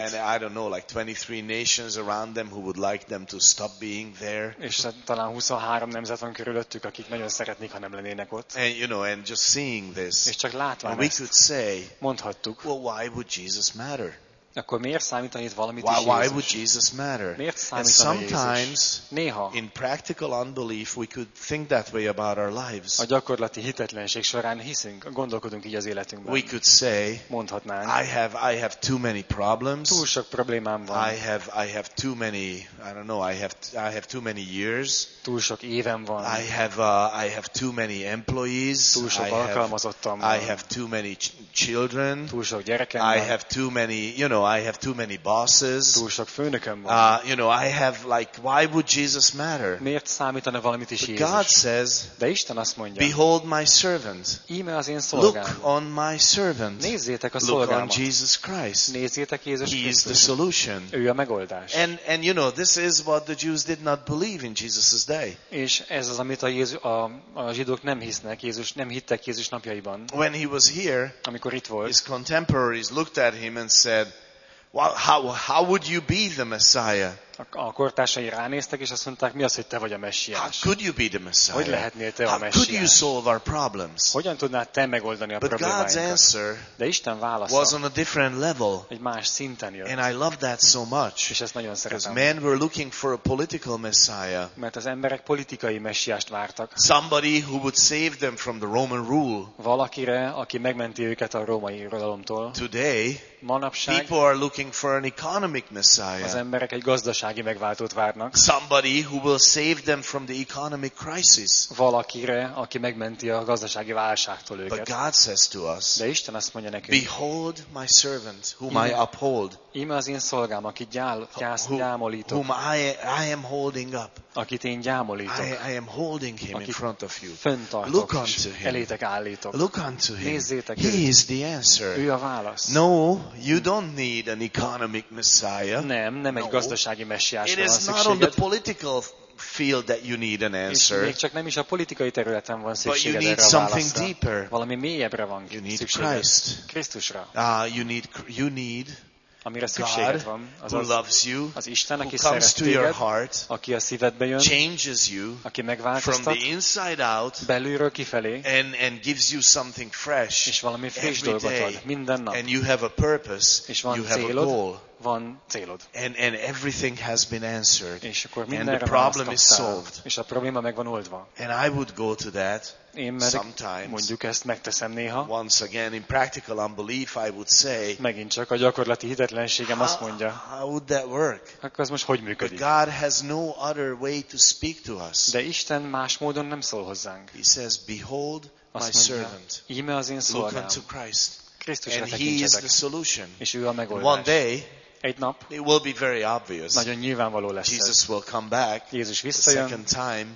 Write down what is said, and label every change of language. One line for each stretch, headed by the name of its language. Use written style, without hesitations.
English: And I don't know, like 23 nations around them who would like them to stop being there.
Hungarian: És talán 23 nemzet van körülöttük, akik nagyon szeretnék, ha nem lennének ott.
English: And you know, and just seeing this.
Hungarian: És csak látván
English: we
Hungarian: ezt,
English: could say,
Hungarian: mondhattuk.
English: Well, why would Jesus matter?
Hungarian: Akkor miért számítani itt valamit
English: why,
Hungarian: is Jézus?
English: Why would Jesus matter?
Hungarian: Miért számítani
English: and sometimes,
Hungarian: néha,
English: in practical unbelief, we could think that way about our lives.
Hungarian: A gyakorlati hitetlenség során hiszünk, gondolkodunk így az életünkben.
English: We could say,
Hungarian: mondhatnánk,
English: I have too many problems.
Hungarian: Túl sok problémám van.
English: I have too many, I don't know, I have too many years.
Hungarian: Túl sok évem van.
English: I have too many employees.
Hungarian: Túl sok alkalmazottam van.
English: I have too many children.
Hungarian: Túl sok gyerekem
English: I have too many, you know, I have too many bosses.
Hungarian: Túl sok főnököm van.
English: I have like, why would Jesus matter?
Hungarian: Miért számítana valamit is Jézus?
English: God says,
Hungarian: de Isten azt mondja,
English: behold my servant.
Hungarian: Íme az én
English: szolgám. Look on my servant.
Hungarian: Nézzétek a
English: Look
Hungarian: szolgámat.
English: On Jesus Christ.
Hungarian: Nézzétek Jézus
English: Krisztus. He is the solution.
Hungarian: Ő a megoldás.
English: And you know, this is what the Jews did not believe in Jesus' day.
Hungarian: És ez az, amit a zsidók nem hisznek, Jézus nem hittek Jézus napjaiban.
English: When he was here,
Hungarian: amikor itt volt,
English: his contemporaries looked at him and said, well, how would you be the Messiah?
Hungarian: A kortársai ránéztek és azt mondták, mi az, hogy te vagy a Messiás?
English: How could you be the Messiah?
Hungarian: Hogy lehetnél te
English: how
Hungarian: a Messiás?
English: Could you solve our problems?
Hungarian: Hogyan tudnád te megoldani a
English: But
Hungarian: problémáinkat?
English: God's answer
Hungarian: de Isten válasza
English: was on a different level.
Hungarian: Egy más szinten jött.
English: And I love that so much.
Hungarian: És ezt nagyon szeretem.
English: Because men were looking for a political Messiah.
Hungarian: Mert az emberek politikai Messiást vártak.
English: Somebody who would save them from the Roman rule.
Hungarian: Valakire, aki megmenti őket a római uralomtól.
English: Today,
Hungarian: manapság,
English: people are looking for an economic Messiah.
Hungarian: Az emberek egy gazdasági megváltót várnak.
English: Somebody who will save them from the economic crisis.
Hungarian: Valakire, aki megmenti a gazdasági válságtól őket.
English: But God says to us,
Hungarian: de Isten azt mondja nekünk,
English: behold my servant, whom I uphold.
Hungarian: Íme az én szolgám, akit gyámolítok.
English: Whom I am holding up.
Hungarian: Akit én gyámolítok.
English: I am holding him in front of you.
Hungarian: Föntartok.
English: Look unto him.
Hungarian: Elétek állítok.
English: Look unto him.
Hungarian: Nézzétek
English: őt. He is the answer.
Hungarian: Ő a válasz.
English: No, you don't need an economic Messiah.
Hungarian: Nem, nem egy gazdasági
English: It is not on the political field that you need an answer.
Hungarian: És még csak nem is a politikai területen van szükséged.
English: But you need something deeper.
Hungarian: Valami mélyebbre van szükséged.
English: You need Christ.
Hungarian: Krisztusra.
English: You need
Hungarian: amire szükséged van,
English: az God, who loves you,
Hungarian: az Isten, aki
English: who comes to
Hungarian: téged,
English: your heart,
Hungarian: aki a szívedbe jön,
English: changes you,
Hungarian: aki megváltoztat,
English: from the inside out,
Hungarian: belülről kifelé,
English: and gives you something fresh,
Hungarian: és valami friss dolgot ad minden nap,
English: and you have a purpose,
Hungarian: és van célod,
English: a goal.
Hungarian: van célod.
English: And everything has been answered.
Hungarian: És akkor mindenre
English: and the problem is solved.
Hungarian: És a probléma meg van oldva.
English: And I would go to that.
Hungarian: Én meg,
English: sometimes,
Hungarian: mondjuk ezt megteszem néha.
English: Once again, in practical unbelief, I would say.
Hungarian: Megint csak a gyakorlati hitetlenségem azt mondja.
English: How would that work?
Hungarian: Akkor ez most hogy működik?
English: But God has no other way to speak to us.
Hungarian: De Isten más módon nem szól hozzánk.
English: He says, "Behold, my servant."
Hungarian: Íme az én szolgám.
English: Look unto Christ.
Hungarian: Krisztusra
English: and He is the solution.
Hungarian: És ő a megoldás.
English: One day.
Hungarian: Egy nap.
English: It will be very obvious.
Hungarian: Nagyon nyilvánvaló lesz.
English: Jesus will come back.
Hungarian: Jézus visszajön.
English: Second time.